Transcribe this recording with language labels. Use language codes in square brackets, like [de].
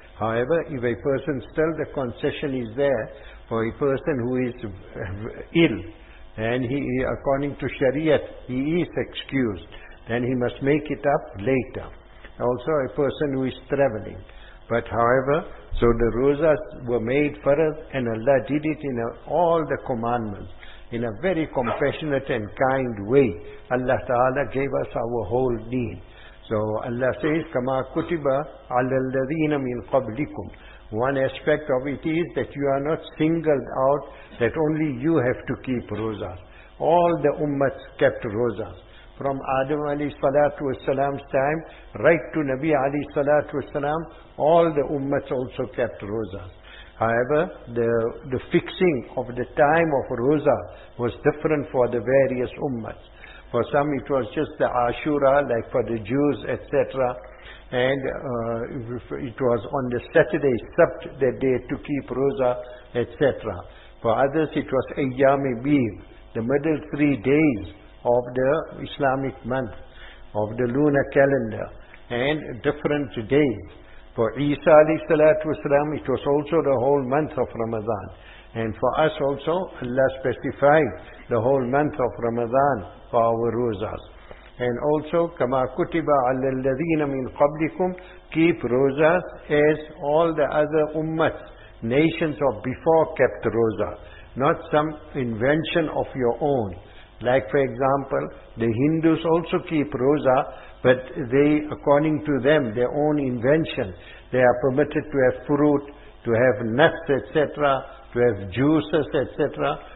[en] However, if a person still, the concession is there for a person who is ill, and he, according to Shariat, he is excused, then he must make it up later. Also a person who is traveling. But however, so the rozas were made for us, and Allah did it in all the commandments, in a very compassionate and kind way. Allah Ta'ala gave us our whole deen. So Allah says, [ar] كَمَا كُتِبَ عَلَى الَّذِينَ مِنْ قَبْلِكُمْ. [en] One aspect of it is that you are not singled out, that only you have to keep rozas. All the ummats kept rozas. From Adam alayhi salatu wasalam's time, right to Nabi alayhi salatu wasalam, all the ummats also kept rozas. However, the fixing of the time of roza was different for the various ummats. For some it was just the Ashura, like for the Jews, etc. And it was on the Saturday, Sabt, that they had to keep roza, etc. For others it was Ayyam Bid, the middle 3 days of the Islamic month, of the lunar calendar, and different days. For Isa alayhi salatu wasalam, it was also the whole month of Ramadan. And for us also, Allah specified the whole month of Ramadan for our rozas. And also, [ar] كَمَا كُتِبَ عَلَى الَّذِينَ مِنْ قَبْلِكُمْ. [en] Keep rozas as all the other ummats, nations of before, kept roza. Not some invention of your own. Like for example, the Hindus also keep roza, but they, according to them, their own invention, they are permitted to have fruit, to have nuts, etc., to have juices, etc.